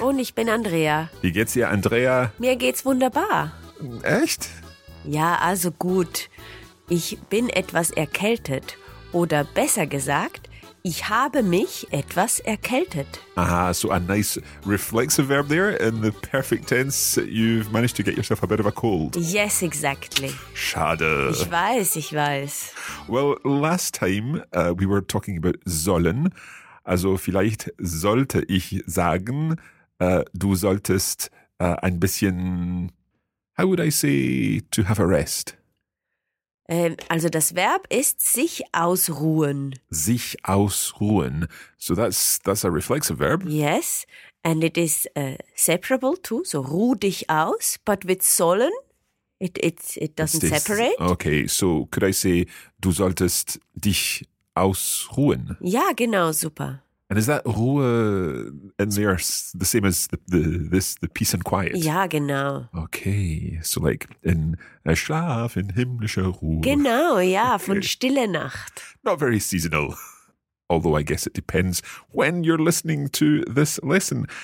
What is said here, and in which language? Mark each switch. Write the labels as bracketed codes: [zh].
[de] Und ich bin Andrea. Wie geht's dir, Andrea? Mir geht's wunderbar. Echt? Ja, also gut. Ich bin etwas erkältet. Oder besser gesagt, ich habe mich etwas erkältet. [en] Aha, so a nice reflexive verb there in the perfect tense. You've managed to get yourself a bit of a cold. Yes, exactly. [de] Schade. Ich weiß. [en] Well, last time we were talking about sollen. [de] Also vielleicht sollte ich sagen, du solltest ein bisschen, [en] how would I say, to have a rest. [de] Also das Verb ist sich ausruhen. Sich ausruhen. [en] So that's a reflexive verb. Yes, and it is separable too. So [de] ruh dich aus, [en] but with sollen, it doesn't separate. Okay, so could I say, [de] du solltest dich ausruhen? Ja, genau, super. [en] And is that Ruhe and they are the same as the peace and quiet? [de] Ja, genau. [en] Okay, so like in [de] Schlaf in himmlischer Ruhe. Genau, ja, okay. Von Stille Nacht. [en] Not very seasonal, although I guess it depends when you're listening to this lesson.